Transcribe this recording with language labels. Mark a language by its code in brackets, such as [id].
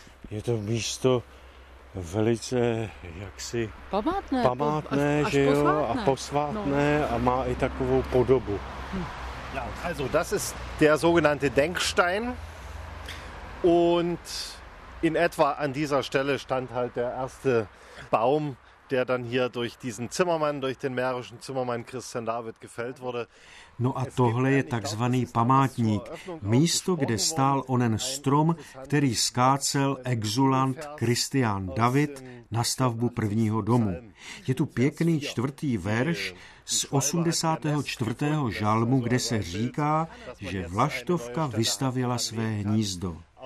[cs] Je to místo velice jaksi památné, že jo, a posvátné a má i takovou podobu. [de] Also das ist der sogenannte Denkstein und in etwa an dieser Stelle stand halt der erste Baum der dann hier durch diesen Zimmermann, durch den mährischen Zimmermann Christian David gefällt wurde. [cs] No a tohle je takzvaný památník, místo, kde stál onen strom, který skácel exulant Christian David na stavbu prvního domu. Je tu pěkný čtvrtý verš z 84. žalmu, kde se říká, že vlaštovka vystavila své hnízdo.